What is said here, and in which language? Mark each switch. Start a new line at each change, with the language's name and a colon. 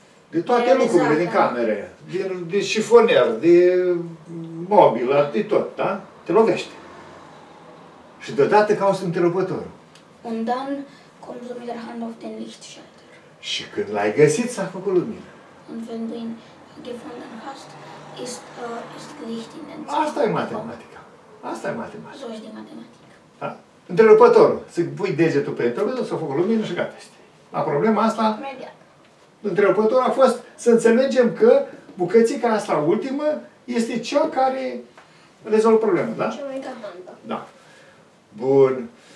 Romanian: De toate lucrurile din camere, de șifonier, de mobilă, de tot, da? Te lovește. Și deodată cauți întrerupătorul.
German: Und dann kommt du mit der Hand auf den Lichtschalter.
Romanian: Și când l-ai găsit, s-a făcut lumină.
German: Und wenn du ihn gefunden hast, ist Licht in den Zimmer.
Romanian: Asta e matematica. Asta e matematica.
German: So ist die Mathematik.
Romanian: Da? Întrerupătorul. Să pui degetul pe întrerupătorul, s-a făcut lumină și gata este. La problema asta... Imediat. Întrerupătorul a fost să înțelegem că bucățica asta ultimă este cea care rezolvă problema, da? Cea mai importantă. Da. Bun.